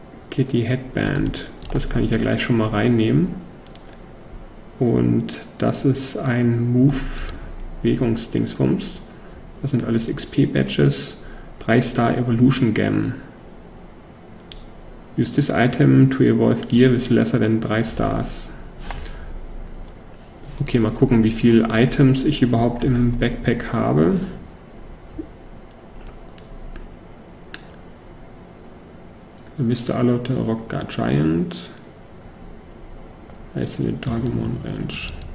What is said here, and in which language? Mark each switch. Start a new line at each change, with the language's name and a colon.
German: Kitty Headband, das kann ich ja gleich schon mal reinnehmen. Und das ist ein Move, Bewegungsdingsbums. Das sind alles XP-Badges, 3-Star Evolution Gem.
English: Use this item to evolve gear with lesser than 3 stars.
German: Okay, mal gucken, wie viele Items ich überhaupt im Backpack habe. Vista Alot, Rock Guard Giant. Heißt in der Dragomon Ranch.